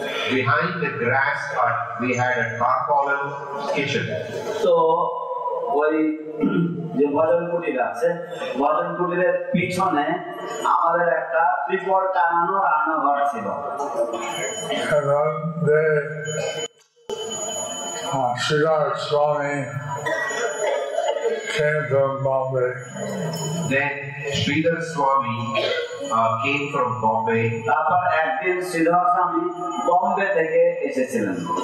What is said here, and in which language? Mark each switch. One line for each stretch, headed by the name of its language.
English: Behind the grass hut, we had a tarpaulin kitchen.
Bangla: So, ওই যে ভজন কুটির আছে, ভজন কুটিরের পিছনে আমাদের একটা ত্রিপল টানানো রান্নাঘর ছিল.
English: And then, Śrīmad Swami came from Bombay. Then Śrīmad Swami came from Bombay.
Bangla: তারপর একদিন Śrīmad Swami বোম্বে থেকে এসেছিলেন.